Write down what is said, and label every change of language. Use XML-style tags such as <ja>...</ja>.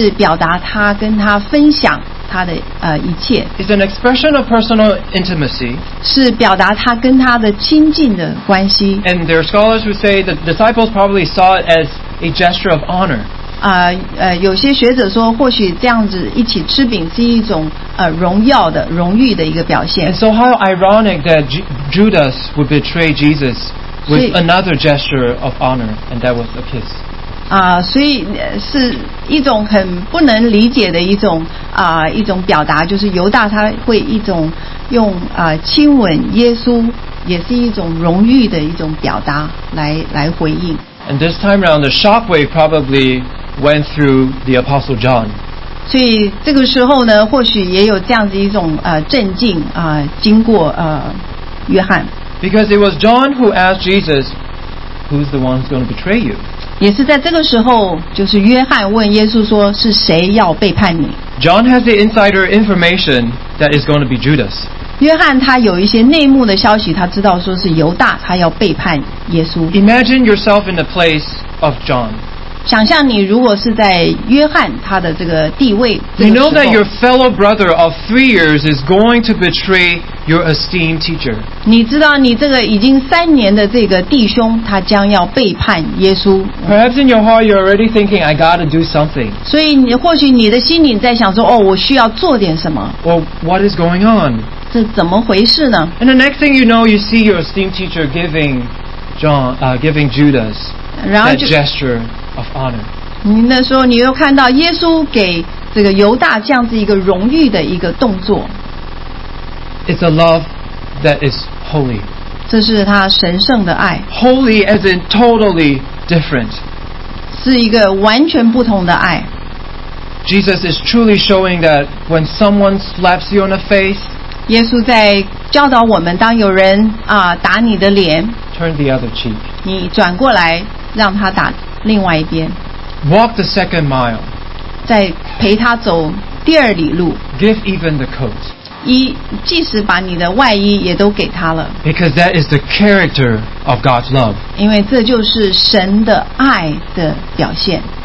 <zh>因为耶稣跟他一起吃饼是表达他跟他分享他的, 一切。</zh> <en>It's an expression of personal intimacy.</en> <zh>是表达他跟他的亲近的关系。</zh> <en>And there are scholars who say the disciples probably saw it as a gesture of honor.</en> <zh>有些学者说或许这样子一起吃饼是一种 荣耀的荣誉的一个表现。</zh> <en>And so how ironic that Judas would betray Jesus with another gesture of honor, and that was a kiss.</en> <zh>所以是一种很不能理解的一种 一种表达, 就是犹大他会一种用, 亲吻耶稣, 也是一种荣誉的一种表达, 来回应。</zh> <en>And this time around, the shockwave probably went through the Apostle John.</en> <zh>所以这个时候呢, 或许也有这样子一种, 震惊, 经过, 约翰。</zh> <en>Because it was John who asked Jesus, who's the one who's going to betray you?</en> <zh>也是在这个时候, 就是约翰问耶稣说是谁要背叛你。</zh> <en>John has the insider information that is going to be Judas.</en> <zh>约翰他有一些内幕的消息, 他知道说是犹大, 他要背叛耶稣。</zh> <en>Imagine yourself in the place of John.</en> <zh>想象你如果是在约翰他的这个地位,</zh> <en>you know that your fellow brother of 3 years is going to betray your esteemed teacher.</en> <zh>你知道你这个已经3年的这个弟兄, 他将要背叛耶稣。</zh> <en>Perhaps in your heart you're already thinking, I gotta do something.</en> <zh>所以或许你的心里在想说, 我需要做点什么。</zh> <en>Well, what is going on?</en> <zh>这怎么回事呢?</zh> <en>And the next thing you know, you see your esteemed teacher giving giving Judas that gesture of honor.</en> <zh>那时候你又看到耶稣给这个犹大这样子一个荣誉的一个动作。</zh> <en>It's a love that is holy.</en> <zh>这是他神圣的爱。</zh> <en>Holy as in totally different.</en> <zh>是一个完全不同的爱。</zh> <en>Jesus is truly showing that when someone slaps you on the face,</en> <zh>耶稣在教导我们，当有人打你的脸，</zh> <en>turn the other cheek.</en> <zh>你转过来，让他打另外一边。</zh> <en>Walk the second mile.</en> <zh>再陪他走第二里路。</zh> <en>Give even the coat.</en> <zh>即使把你的外衣也都给他了。</zh> <en>Because that is the character of God's love.</en> <zh>因为这就是神的爱的表现。</zh>